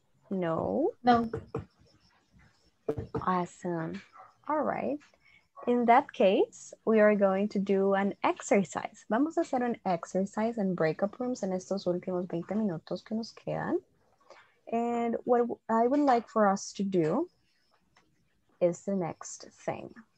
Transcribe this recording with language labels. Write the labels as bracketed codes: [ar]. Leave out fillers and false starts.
[en] No? No. Awesome. All right. In that case, we are going to do an exercise. [es] Vamos a hacer un [en] exercise in breakout rooms [es] en estos últimos 20 minutos que nos quedan. [en] And what I would like for us to do is the next thing.